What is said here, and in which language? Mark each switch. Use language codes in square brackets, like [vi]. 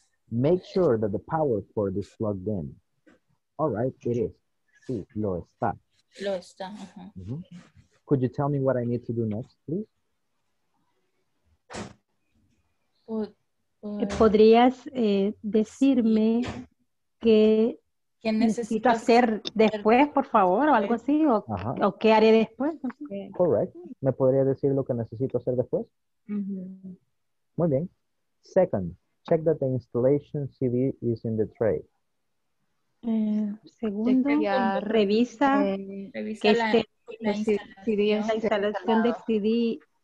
[en] Make sure that the power cord is plugged in. All right, it is. [es] Sí, lo está. Lo está, uh-huh. Mm-hmm. [en] Could you tell me what I need to do next, please? [es] ¿Podrías decirme qué necesito hacer después, por favor, o algo así? ¿O qué haré después? [en] Correct. [es] ¿Me podría decir lo que necesito hacer después? Mm-hmm. Muy bien. [en] Second, check that the installation CD is in the tray. [es] Segundo, revisa que esté la instalación de CD.